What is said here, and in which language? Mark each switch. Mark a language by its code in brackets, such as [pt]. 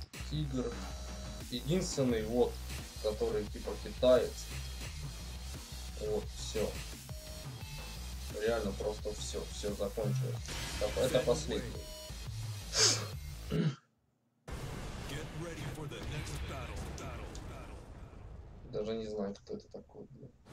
[ru] Тигр. Единственный вот, который типа китаец. Вот, все. Реально просто все, все закончилось. Так, это последний. [en] Get ready for the next battle. [ru] Даже не знаю, кто это такой, блин.